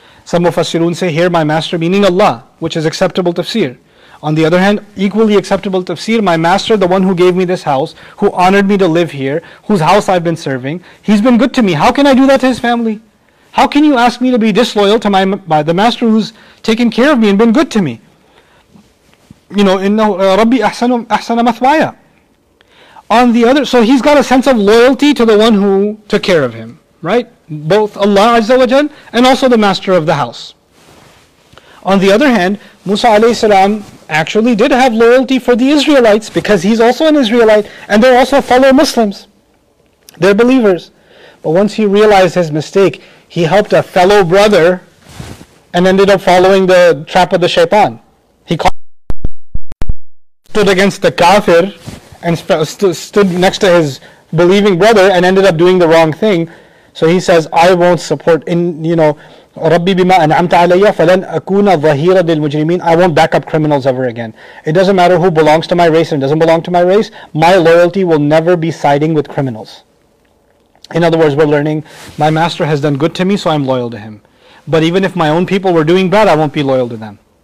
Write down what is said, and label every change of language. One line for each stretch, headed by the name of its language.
English: Some mufassirun say, here my master meaning Allah, which is acceptable tafsir. On the other hand, equally acceptable tafsir, my master, the one who gave me this house, who honored me to live here, whose house I've been serving, he's been good to me. How can I do that to his family? How can you ask me to be disloyal to my the master who's taken care of me and been good to me? You know,
Arabic: إِنَّهُ رَبِّي أَحْسَنَ مَثْوَايَ.
English: On the other, so he's got a sense of loyalty to the one who took care of him, right? Both Allah Azza wa Jal and also the master of the house. On the other hand, Musa alayhi salam actually did have loyalty for the Israelites because he's also an Israelite and they're also fellow Muslims. They're believers. But once he realized his mistake, he helped a fellow brother and ended up following the trap of the shaitan. He stood against the kafir and stood next to his believing brother and ended up doing the wrong thing. So he says, I won't support
Arabic: رَبِّ بِمَا أَنْعَمْتَ عَلَيَّ فَلَنْ أَكُونَ ظَهِيرًا لِلْمُجْرِمِينَ.
English: I won't back up criminals ever again. It doesn't matter who belongs to my race and doesn't belong to my race. My loyalty will never be siding with criminals. In other words, we're learning, my master has done good to me, so I'm loyal to him. But even if my own people were doing bad, I won't be loyal to them.